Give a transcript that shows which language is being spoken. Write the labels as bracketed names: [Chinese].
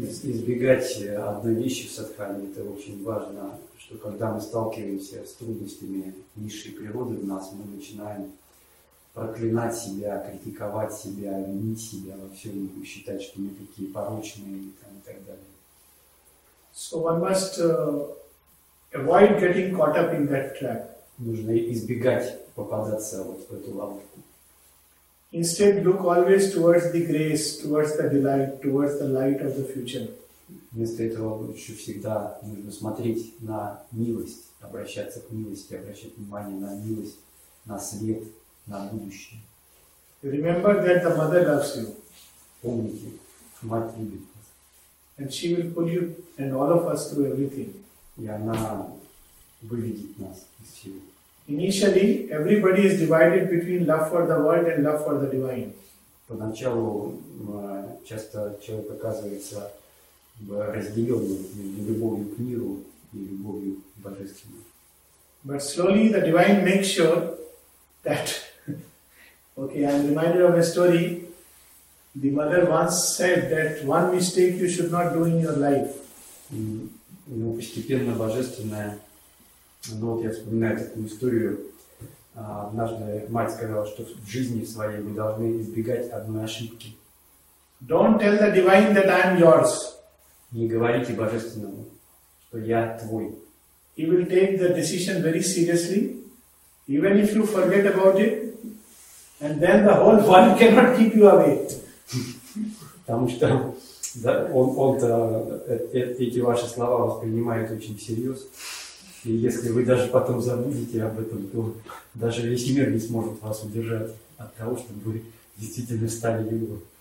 [Russian] Избегать одной вещи в садхане, это очень важно, что когда мы сталкиваемся с трудностями низшей природы в нас, мы начинаем проклинать себя, критиковать себя, винить себя во всем, считать, что мы такие порочные и так далее. [English] So one must avoid getting caught up in that trap. [Russian] Нужно избегать попадаться вот в эту ловушку. [English] Instead, look always towards the grace, towards the delight, towards the light of the future. [Russian] Вместо этого лучше всегда нужно смотреть на милость, обращаться к милости, обращать внимание на милость, на свет, на будущее. [English] Remember that the mother loves you. [Russian] Помните, мать любит. [English] And she will pull you and all of us through everything. [Russian] И она выведет нас из всего. [English] Initially, everybody is divided between love for the world and love for the divine. [Russian] Поначалу часто человек оказывается разделенным между любовью к миру и любовью к божественному. [English] But slowly the divine makes sure that. Okay, I'm reminded of a story. The mother once said that one mistake you should not do in your life. [Russian] Ну, постепенно божественное. Ну, вот я вспоминаю такую историю. Однажды мать сказала, что в жизни своей вы должны избегать одной ошибки. [English] Don't tell the divine that I'm yours. [Russian] Не говорите божественному, что я твой. [English] He will take the decision very seriously, even if you forget about it, and then the whole world cannot keep you away. [Russian] Потому что да, эти ваши слова воспринимает очень всерьез. И если вы даже потом забудете об этом, то даже весь мир не сможет вас удержать от того, чтобы вы действительно стали его.